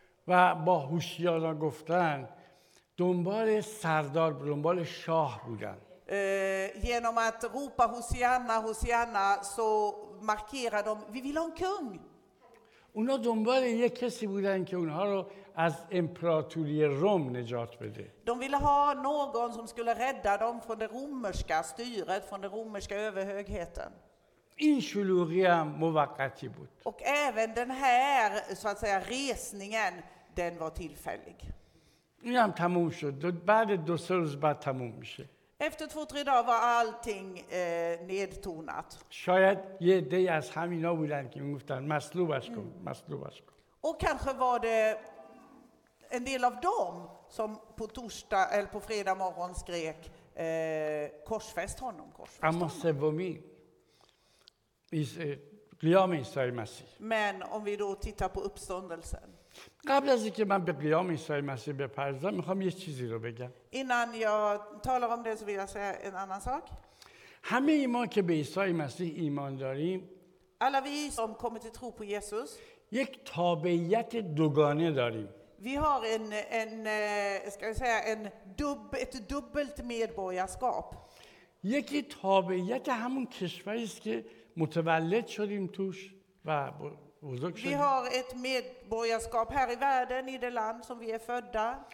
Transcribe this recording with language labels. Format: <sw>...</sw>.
<fa>و با هوشیارا گفتن دنبال سردار، دنبال شاه بودن.</fa> <sv>Genom att ropa Hosianna, Hosianna, så markerar de, vi vill ha en kung.</sv> <fa>اونا دنبال یک کسی بودن که اونها رو از امپراتوری روم نجات بده.</fa> <sv>De ville ha någon som skulle rädda dem från det romerska styret, från den romerska överhögheten.</sv> <fa>این شلوغی هم موقتی بود.</fa> <sv>Och även den här, så att säga, resningen, den var tillfällig.</sv> <fa>این هم تموم شد. بعد دو سه روز بعد تموم میشه.</fa> <sv>Efter 2-3 dagar var allting nedtonat.</sv> <fa>شاید یه دی از همینا بودن که میگفتن مصلوبش کن، مصلوبش کن.</fa> <sv>Och kanske var det en del av dem som på torsdag eller på fredag morgon skrek korsfäst honom, korsfäst honom. Men om vi då tittar på uppståndelsen.</sv> <fa>قبل از اینکه من به قیام عیسی مسیح بپردازم میخوام یه چیزی رو بگم.</fa> <sv>Innan jag talar om det så vill jag säga en annan sak.</sv> <fa>همه ما که به عیسی مسیح ایمان داریم،</fa> <sv>alla vi som kommer till tro på Jesus,</sv> <fa>یک تابعیت دوگانه داریم.</fa> <sv>Vi har en ska vi säga en dubbelt medborgarskap.</sv> <fa>یکی تابعیت همون کشوری است که متولد شدیم توش و</fa> <sv>vi har ett medborgarskap här i världen, i det land som vi är födda.</sv>